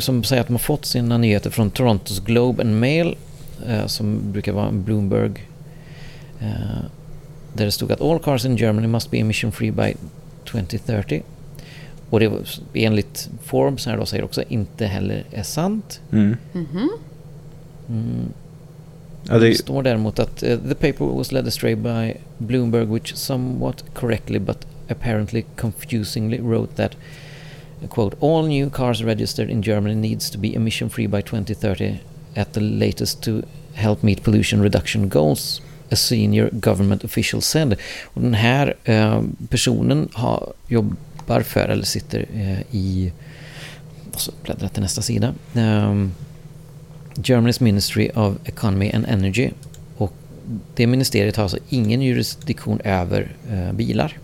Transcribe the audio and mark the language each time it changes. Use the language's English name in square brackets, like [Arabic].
[Swedish] Som säger att de har fått sina nyheter från Toronto's Globe and Mail, som brukar vara en Bloomberg, där det stod att [English] all cars in Germany must be emission free by 2030. [Swedish] Och det enligt Forbes här då säger också inte heller är sant. Mm. Mm-hmm. Det står däremot att [English] the paper was led astray by Bloomberg, which somewhat correctly but apparently confusingly wrote that quote, all new cars registered in Germany needs to be emission free by 2030 at the latest to help meet pollution reduction goals, a senior government official said. [Swedish] Och den här personen jobbar för, eller sitter i, och så bläddrar till nästa sida, Germany's Ministry of Economy and Energy. Och det ministeriet har alltså ingen jurisdiktion över bilar.